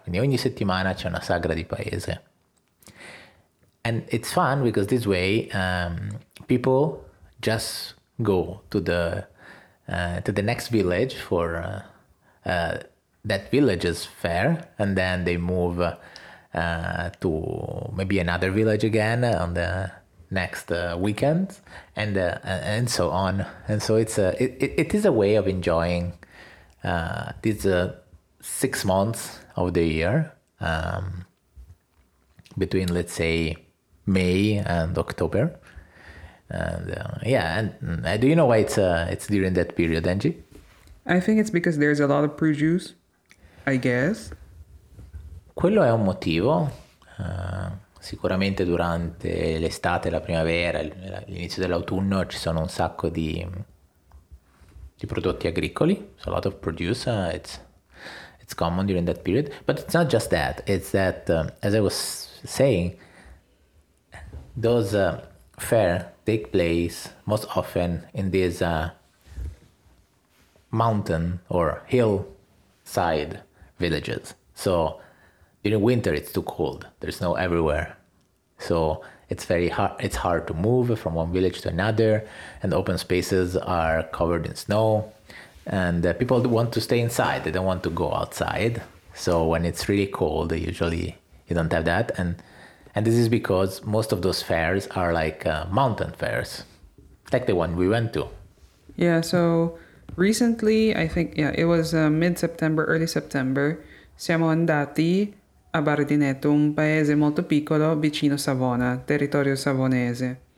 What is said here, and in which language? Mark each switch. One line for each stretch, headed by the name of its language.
Italian: Quindi ogni settimana c'è una sagra di paese.
English: And it's fun because this way people just go to the next village for that village's fair, and then they move to maybe another village again on the next weekend, and so on. And so it is a way of enjoying these 6 months of the year, between, let's say, May and October. And do you know why it's during that period, Angie? I think it's because there's a lot of produce, I guess.
Italian: Quello è un motivo. Sicuramente durante l'estate, la primavera, l'inizio dell'autunno ci sono un sacco di prodotti agricoli.
English: So a lot of produce, it's common during that period. But it's not just that. It's that, as I was saying, those fair take place most often in this mountain or hillside villages. So during winter it's too cold. There's snow everywhere. So it's very hard. It's hard to move from one village to another, and open spaces are covered in snow, and people want to stay inside. They don't want to go outside. So when it's really cold, usually you don't have that. And this is because most of those fairs are like mountain fairs, like the one we went to. Yeah. So recently, I think, it was mid-September, early September.
Italian: Siamo andati a Bardinetto, un paese molto piccolo vicino Savona, territorio savonese.